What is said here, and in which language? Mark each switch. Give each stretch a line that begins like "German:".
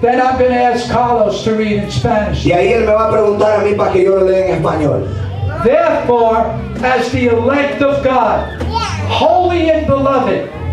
English: Then I'm going to ask Carlos to read in Spanish.
Spanish: Y ahí él me va a preguntar a mí para que yo lo lea en español.
English: Therefore, as the elect of God, holy and beloved,